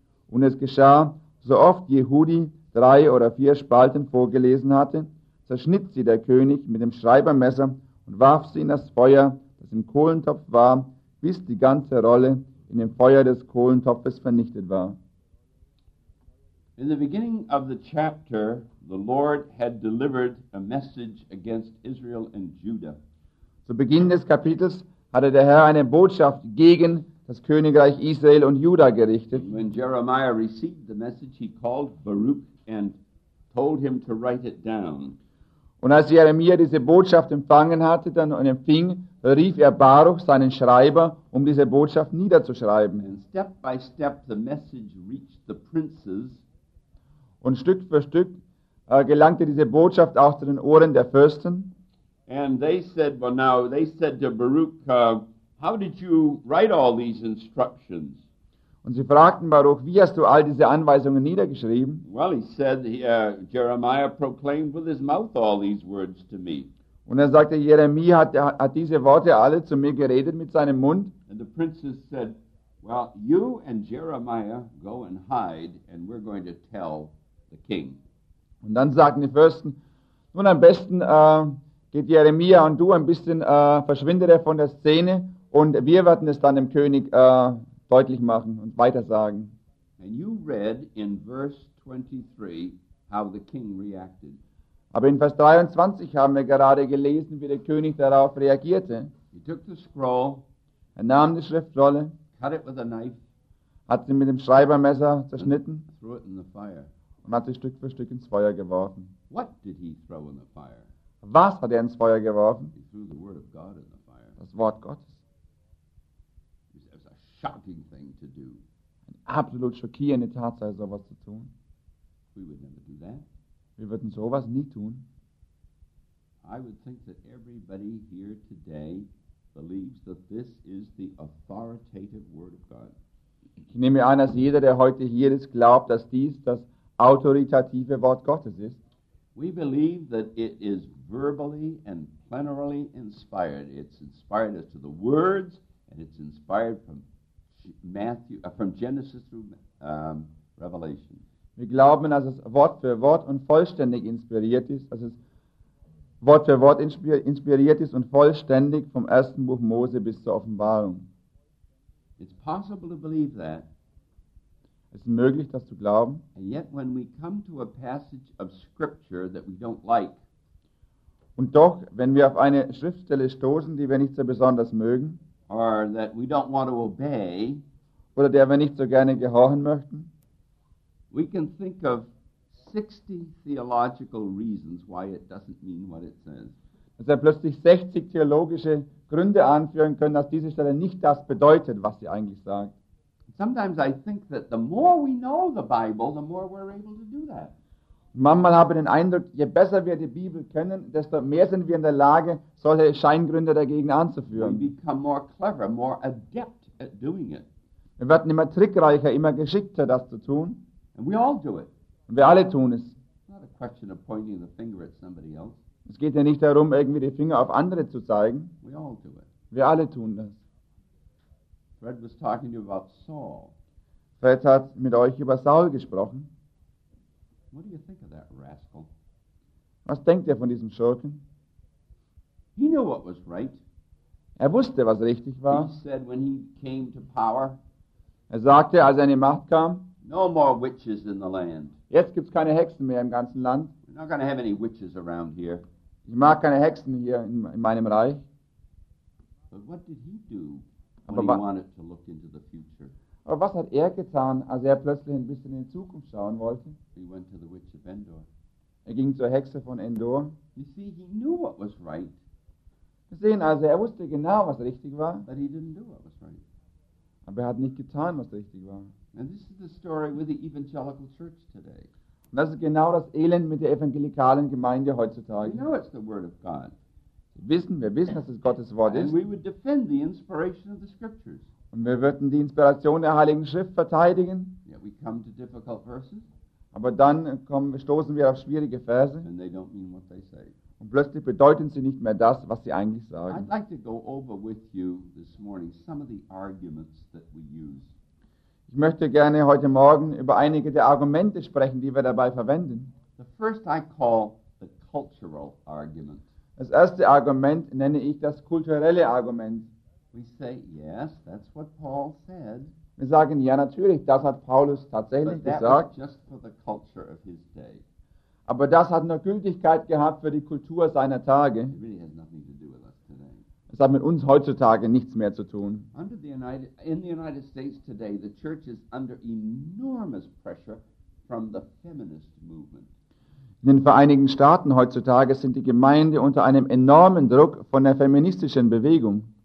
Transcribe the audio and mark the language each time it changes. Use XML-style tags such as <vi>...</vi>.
<de>Und es geschah, so oft Jehudi 3 oder 4 Spalten vorgelesen hatte, zerschnitt sie der König mit dem Schreibermesser und warf sie in das Feuer, das im Kohlentopf war, bis die ganze Rolle in dem Feuer des Kohlentopfes vernichtet war.</de> <en>In the beginning of the chapter, the Lord had delivered a message against Israel and Judah.</en> <de>Zu Beginn des Kapitels hatte der Herr eine Botschaft gegen das Königreich Israel und Juda gerichtet.</de> <en>When Jeremiah received the message, he called Baruch and told him to write it down.</en> <de>Und als Jeremia diese Botschaft empfangen hatte und empfing, rief er Baruch, seinen Schreiber, um diese Botschaft niederzuschreiben.</de> <en>And step by step the message reached the princes.</en> <de>Und Stück für Stück gelangte diese Botschaft auch zu den Ohren der Fürsten.</de> <en>And they said, well now, they said to Baruch, how did you write all these instructions?</en> <de>Und sie fragten Baruch, wie hast du all diese Anweisungen niedergeschrieben?</de> <en>Well, he said, Jeremiah proclaimed with his mouth all these words to me.</en> <de>Und er sagte, Jeremia hat diese Worte alle zu mir geredet mit seinem Mund.</de> <en>And the princes said, well, you and Jeremiah go and hide, and we're going to tell the king.</en> <de>Und dann sagten die Fürsten, nun am besten geht Jeremia und du ein bisschen verschwindet er von der Szene, und wir werden es dann dem König deutlich machen und weitersagen.</de> <en>And you read in verse 23 how the king reacted.</en> <de>Aber in Vers 23 haben wir gerade gelesen, wie der König darauf reagierte.</de> <en>He took the scroll,</en> <de>er nahm die Schriftrolle,</de> <en>cut it with a knife,</en> <de>hat sie mit dem Schreibermesser zerschnitten,</de> <en>threw it in the fire,</en> <de>und hat sie Stück für Stück ins Feuer geworfen.</de> <en>What did he throw in the fire?</en> <de>Was hat er ins Feuer geworfen?</de> <en>He threw the word of God in the fire.</en> <de>Das Wort Gottes.</de> <en>Shocking thing to do.</en> <de>Eine absolut schockierende Tatsache, sowas zu tun.</de> <en>We would never do that.</en> <de>Wir würden sowas nie tun.</de> <en>I would think that everybody here today believes that this is the authoritative word of God.</en> <de>Ich nehme an, dass jeder, der heute hier ist, glaubt, dass dies das autoritative Wort Gottes ist.</de> <en>We believe that it is verbally and plenarily inspired. It's inspired as to the words, and it's inspired from Matthew, from Genesis through Revelation.</en> <de>Wir glauben, dass es Wort für Wort und vollständig inspiriert ist, dass es Wort für Wort inspiriert ist und vollständig vom ersten Buch Mose bis zur Offenbarung.</de> <en>It's possible to believe that.</en> <de>Es ist möglich, das zu glauben.</de> <en>And yet when we come to a passage of scripture that we don't like.</en> <de>Und doch, wenn wir auf eine Schriftstelle stoßen, die wir nicht so besonders mögen,</de> <en>or that we don't want to obey,</en> <de>oder der wir nicht so gerne gehorchen möchten,</de> <en>we can think of 60 theological reasons why it doesn't mean what it says.</en> <de>Dass wir plötzlich 60 theologische Gründe anführen können, dass diese Stelle nicht das bedeutet, was sie eigentlich sagt.</de> <en>Sometimes I think that the more we know the Bible, the more we're able to do that.</en> <de>Manchmal habe ich den Eindruck, je besser wir die Bibel kennen, desto mehr sind wir in der Lage, solche Scheingründe dagegen anzuführen.</de> <en>We become more clever, more adept at doing it.</en> <de>Wir werden immer trickreicher, immer geschickter, das zu tun.</de> <en>And we all do it.</en> <de>Und wir alle tun es.</de> <en>It's not a question of pointing the finger at somebody else.</en> <de>Es geht ja nicht darum, irgendwie die Finger auf andere zu zeigen.</de> <en>We all do it.</en> <de>Wir alle tun das.</de> <en>Fred was talking to you about Saul.</en> <de>Fred hat mit euch über Saul gesprochen.</de> <en>What do you think of that rascal?</en> <de>Was denkt ihr von diesem Schurken?</de> <en>He knew what was right.</en> <de>Er wusste, was richtig war.</de> <en>He said when he came to power,</en> <de>er sagte, als er in die Macht kam,</de> <en>no more witches in the land.</en> <de>Jetzt gibt's keine Hexen mehr im ganzen Land.</de> <en>We're not going to have any witches around here.</en> <de>Ich mag keine Hexen hier in meinem Reich.</de> <en>But what did he do when he wanted to look into the future?</en> <de>Aber was hat er getan, als er plötzlich ein bisschen in die Zukunft schauen wollte?</de> <en>He went to the witch of Endor.</en> <de>Er ging zur Hexe von Endor.</de> <en>You see, he knew what was right.</en> <de>Wir sehen also, er wusste genau, was richtig war.</de> <en>But he didn't do what was right.</en> <de>Aber er hat nicht getan, was richtig war.</de> <en>And this is the story with the evangelical church today.</en> <de>Und das ist genau das Elend mit der evangelikalen Gemeinde heutzutage.</de> <en>We know it's the word of God.</en> <de>Wir wissen, dass es Gottes Wort ist.</de> <en>And we would defend the inspiration of the scriptures.</en> <de>Und wir würden die Inspiration der Heiligen Schrift verteidigen.</de> <en>Yet we come to difficult verses.</en> <de>Aber dann stoßen wir auf schwierige Verse.</de> <en>And they don't mean what they say.</en> <de>Und plötzlich bedeuten sie nicht mehr das, was sie eigentlich sagen.</de> <en>I'd like to go over with you this morning some of the arguments that we use.</en> <de>Ich möchte gerne heute Morgen über einige der Argumente sprechen, die wir dabei verwenden.</de> <en>The first I call the cultural argument.</en> <de>Das erste Argument nenne ich das kulturelle Argument.</de> <en>We say, yes, that's what Paul said.</en> <de>Wir sagen, ja, natürlich, das hat Paulus tatsächlich</de> <en>but</en> <de>gesagt.</de> <en>That was just for the culture of his day.</en> <de>Aber das hat nur Gültigkeit gehabt für die Kultur seiner Tage.</de> <en>It really has nothing to do with us today.</en> <de>Es hat mit uns heutzutage nichts mehr zu tun.</de> <en>In the United States today, the church is under enormous pressure from the feminist movement.</en> <de>In den Vereinigten Staaten heutzutage sind die Gemeinde unter einem enormen Druck von der feministischen Bewegung.</de>